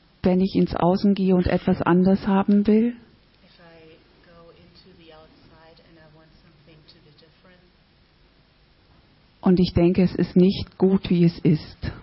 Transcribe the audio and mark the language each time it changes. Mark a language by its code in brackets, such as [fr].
[de] Wenn ich ins Außen gehe und etwas anders haben will. [en] If I go into the outside and I want something to be different. [de] Und ich denke, es ist nicht gut, wie es ist.